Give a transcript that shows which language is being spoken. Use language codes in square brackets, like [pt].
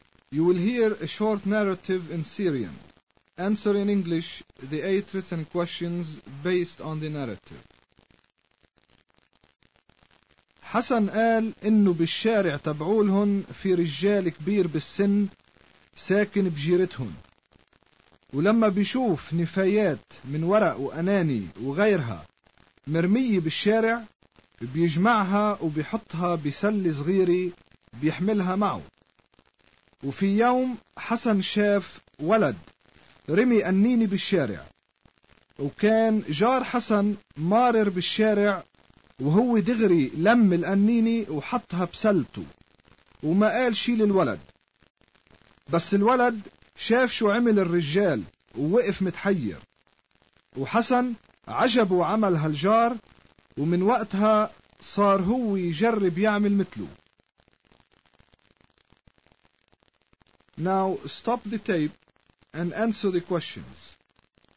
[en] You will hear a short narrative in Syrian. Answer in English the 8 written questions based on the narrative. [ar] حسن قال إنه بالشارع تبعولهن في رجال كبير بالسن ساكن بجيرتهن، ولما بيشوف نفايات من ورق وأناني وغيرها مرمية بالشارع بيجمعها وبيحطها بسلة صغيرة بيحملها معه. وفي يوم حسن شاف ولد رمي أنيني بالشارع، وكان جار حسن مارر بالشارع وهو دغري لم الأنيني وحطها بسلته وما قال شي للولد، بس الولد شاف شو عمل الرجال ووقف متحير. وحسن عجب عمل هالجار، ومن وقتها صار هو يجرب يعمل مثله. [en] Now stop the tape and answer the questions. End of part D.